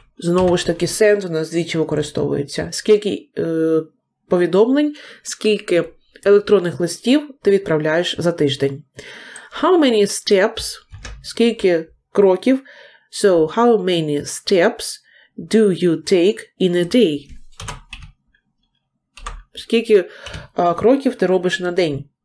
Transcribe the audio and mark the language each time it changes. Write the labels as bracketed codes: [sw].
[uk] Знову ж таки, send у нас двічі використовується. Скільки повідомлень, скільки електронних листів ти відправляєш за тиждень? [en] How many steps? [uk] Скільки кроків? [en] So, how many steps do you take in a day? [uk] Скільки кроків ти робиш на день?